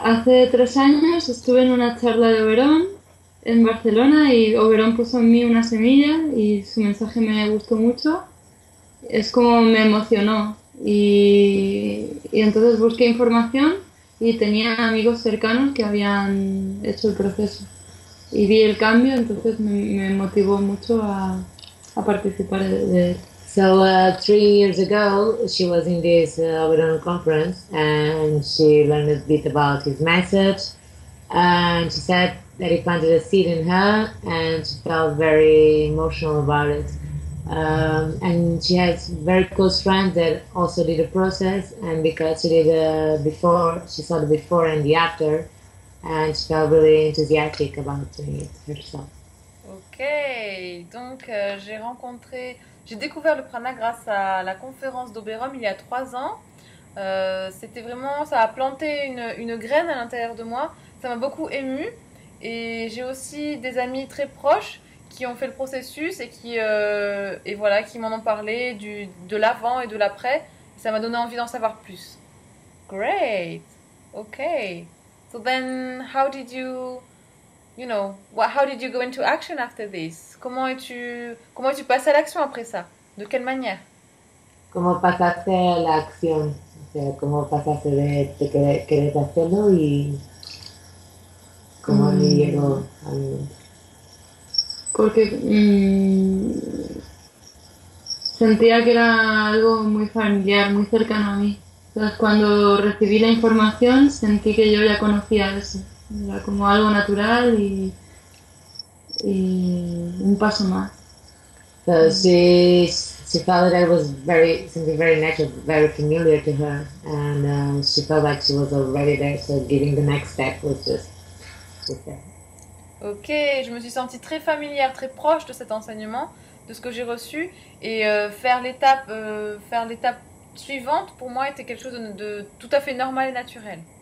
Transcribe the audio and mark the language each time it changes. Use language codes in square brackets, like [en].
[es] Hace tres años estuve en una charla de Oberón en Barcelona y Oberón puso en mí una semilla y su mensaje me gustó mucho. Es como me emocionó y entonces busqué información. Y tenía amigos cercanos que habían hecho el proceso. Y vi el cambio, entonces me motivó mucho a participar de él. [en] So, 3 years ago, she was in this Oberon conference and she learned a bit about his message. And she said that he planted a seed in her and she felt very emotional about it. And she has very close friends that also did a process, and because she did before, she saw the before and the after, and she felt really enthusiastic about doing it herself. [fr] Okay, donc j'ai découvert le prana grâce à la conférence d'Oberon il y a 3 ans. C'était vraiment, ça a planté une graine à l'intérieur de moi. Ça m'a beaucoup émue, et j'ai aussi des amis très proches qui ont fait le processus et qui m'en ont parlé de l'avant et de l'après. Ça m'a donné envie d'en savoir plus. [en] Great. Okay. So then, how did you go into action after this? [fr] Comment es-tu passé à l'action après ça? De quelle manière? Comment passaste à l'action? [es] Comment passaste de querer hacerlo y cómo llegó a mí? Porque sentía que era algo muy familiar, muy cercano a mí. Entonces, cuando recibí la información, sentí que yo ya conocía eso. Era como algo natural y un paso más. [en] So she felt that it was something very natural, very familiar to her, and she felt like she was already there. So giving the next step was just there. [fr] Ok, je me suis sentie très familière, très proche de cet enseignement, de ce que j'ai reçu. Et faire l'étape suivante, pour moi, était quelque chose de tout à fait normal et naturel.